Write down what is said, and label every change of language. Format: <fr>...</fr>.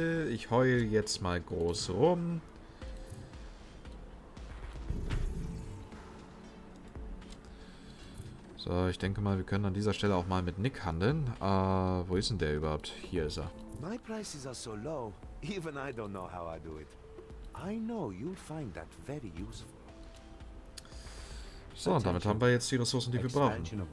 <de>Ich heule jetzt mal groß rum. So, So, ich denke mal, wir können an dieser Stelle auch mal mit Nick handeln. Wo ist denn der überhaupt? Hier ist er.</de> <en>My prices are so low, even I don't know how I do it. I know you'll find that very useful.</en> <de>So, und damit haben wir jetzt die Ressourcen, die wir brauchen.</de>